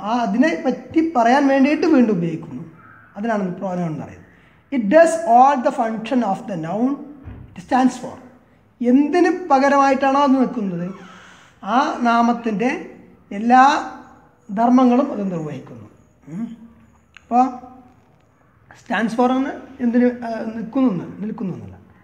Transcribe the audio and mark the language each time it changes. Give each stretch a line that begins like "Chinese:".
Malayalam: ആ അതിനെ പറ്റി പറയാൻ വേണ്ടിയിട്ട് വീണ്ടും ഉപയോഗിക്കുന്നു. അതിനാണ് പ്രോനൗൺ എന്ന് പറയുന്നത്.
English: It does all the function of the noun it stands for.
Malayalam: എന്തിനു പകരമായിട്ടാണ് അത് നിൽക്കുന്നത്? ആ നാമത്തിൻ്റെ എല്ലാ ധർമ്മങ്ങളും അത് നിർവഹിക്കുന്നു. അപ്പോൾ സ്റ്റാൻഡ്സ് ഫോർ ആണ് എന്തിന് നിൽക്കുന്നു എന്നല്ല.